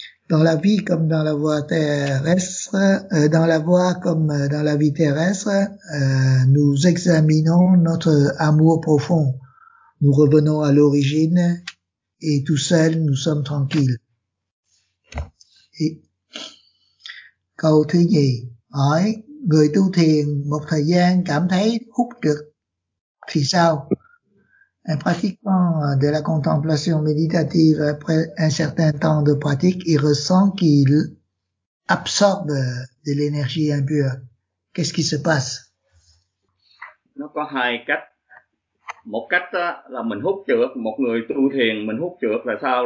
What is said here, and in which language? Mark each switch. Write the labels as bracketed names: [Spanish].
[French] Dans la vie comme dans la voie terrestre, nous examinons notre amour profond. Nous revenons à l'origine et tout seul, nous sommes tranquilles. [Vietnamese] Et, câu thứ nhì, hỏi, người tu thiền một thời gian cảm thấy hút được thì sao? [French] Un pratiquant de la contemplation méditative, après un certain temps de pratique, il ressent qu'il absorbe de l'énergie impure. Qu'est-ce qui se passe? [Vietnamese] Nó có hai cách. Một cách là mình hút trượt, một người tu thiền mình hút trượt là sao?